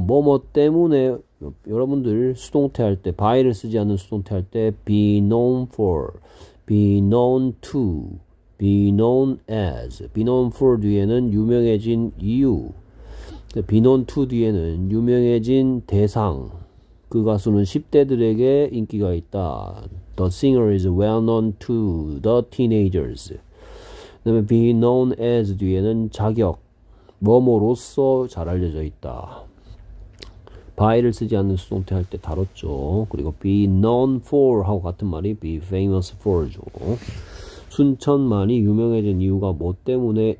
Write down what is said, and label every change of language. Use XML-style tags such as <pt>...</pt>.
<ko>뭐뭐 때문에 여러분들 수동태 할 때 by를 쓰지 않는 수동태 할 때 be known for, be known to, be known as, be known for 뒤에는 유명해진 이유, be known to 뒤에는 유명해진 대상. 그 가수는 10대들에게 인기가 있다.</ko> <en>The singer is well known to the teenagers.</en> <ko>그다음에 be known as 뒤에는 자격. 뭐뭐로서 잘 알려져 있다. by를 쓰지 않는 수동태 할 때 다뤘죠. 그리고 be known for 하고 같은 말이 be famous for죠. 순천만이 유명해진 이유가 뭐 때문에?</ko>